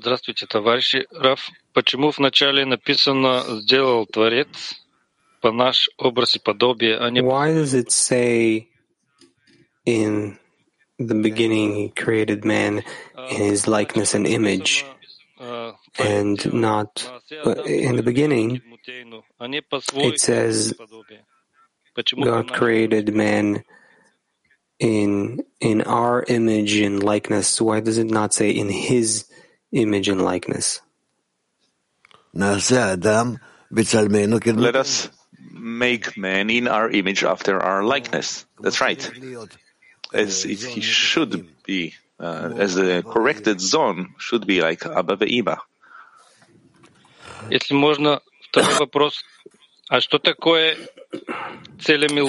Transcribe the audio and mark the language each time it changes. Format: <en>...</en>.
<ru>Здравствуйте, товарищи. Раф, почему в начале написано «сделал Творец по наш образ и подобие», а не...</ru> <en>Why does it say in the beginning he created man in his likeness and image? And not in the beginning, it says God created man in our image and likeness. Why does it not say in His image and likeness? Let us make man in our image after our likeness. That's right. As if he should be. As the corrected zone should be like Abba Ve'Ima.</en> <ru>Если можно, второй вопрос. А что такое Целем Элоким?</ru>